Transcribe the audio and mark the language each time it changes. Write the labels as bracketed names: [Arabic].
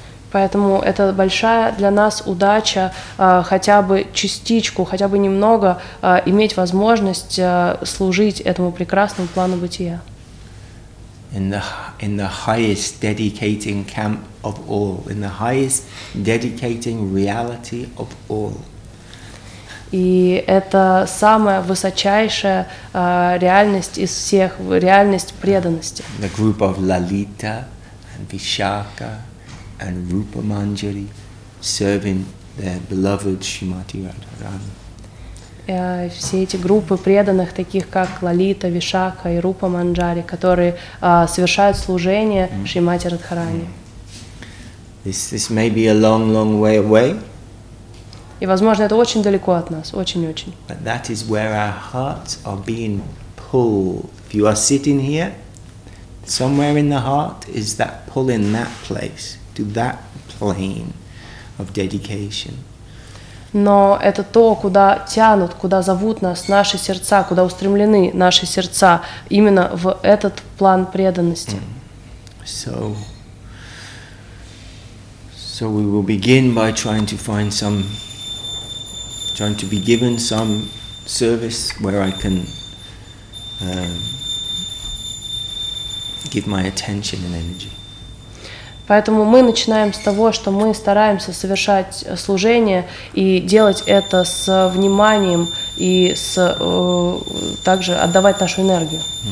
[Russian] Поэтому это большая для нас удача хотя бы частичку, хотя бы немного иметь возможность служить этому прекрасному плану бытия. [English] In the highest dedicating camp of all, in the highest dedicating reality of all. [Russian] И это самая высочайшая реальность из всех, реальность преданности. [English] The group of Lalita and Vishakha and Rupa Manjari serving their beloved Srimati Radharani. [Russian] Все эти группы преданных, таких как Лалита, Вишакха и Рупа Манджари, которые совершают служение Шримати Радхарани. [English] This may be a long way away. [Russian] И, возможно, это очень далеко от нас, очень-очень. [English] But that is where our hearts are being pulled. If you are sitting here, somewhere in the heart is that pull in that place, to that plane of dedication. [Russian] Но это то, куда тянут, куда зовут нас наши сердца, куда устремлены наши сердца, именно в этот план преданности. [English] So we will begin by trying to be given some service where I can give my attention and energy. [Russian] Поэтому мы начинаем с того, что мы стараемся совершать служение и делать это с вниманием и с, также отдавать нашу энергию.